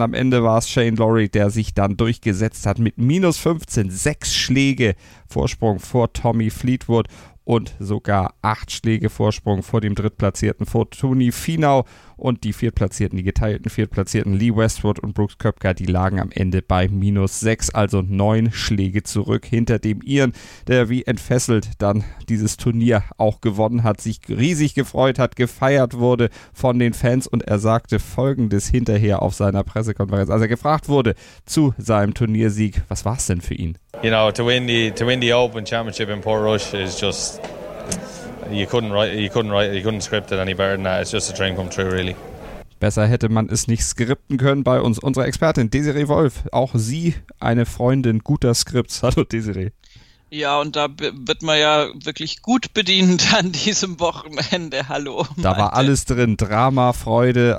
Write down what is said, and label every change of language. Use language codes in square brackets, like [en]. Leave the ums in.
[de] Am Ende war es Shane Lowry, der sich dann durchgesetzt hat mit minus 15, sechs Schläge Vorsprung vor Tommy Fleetwood und sogar acht Schläge Vorsprung vor dem drittplatzierten Fortuny Finau und die viertplatzierten, die geteilten viertplatzierten Lee Westwood und Brooks Köpker, die lagen am Ende bei minus sechs, also neun Schläge zurück hinter dem Iren, der wie entfesselt dann dieses Turnier auch gewonnen hat, sich riesig gefreut hat, gefeiert wurde von den Fans und er sagte folgendes hinterher auf seiner Pressekonferenz, als er gefragt wurde zu seinem Turniersieg, was war es denn für ihn? [en] you know to win the to win the Open Championship in Port Rush is just you couldn't write you couldn't write you couldn't script it any better than that. It's just a dream come true, really. [de] Besser hätte man es nicht skripten können bei uns, unserer Expertin Desiree Wolf. Auch sie, eine Freundin guter Skripts. Hallo Desiree. Ja, und da wird man ja wirklich gut bedient an diesem Wochenende. Hallo. Da war alles drin. Drama, Freude.